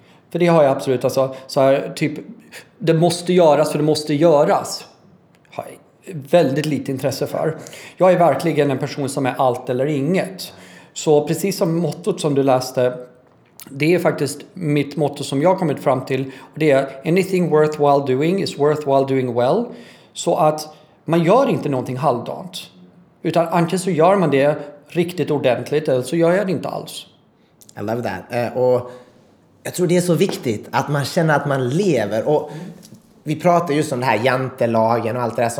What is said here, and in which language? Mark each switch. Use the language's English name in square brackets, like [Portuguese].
[Swedish] För det har jag absolut, alltså, så här, typ, det måste göras för det måste göras. Har jag väldigt lite intresse för. Jag är verkligen en person som är allt eller inget. Så precis som mottot som du läste, det är faktiskt mitt motto som jag kommit fram till. Och det är, [English] anything worthwhile doing is worthwhile doing well. [Swedish] Så att man gör inte någonting halvdant. Utan antingen så gör man det riktigt ordentligt eller så gör jag det inte alls. [English] I love that. [Swedish] Och jag tror det är så viktigt att man känner att man lever. Och vi pratar just om det här jantelagen och allt det där.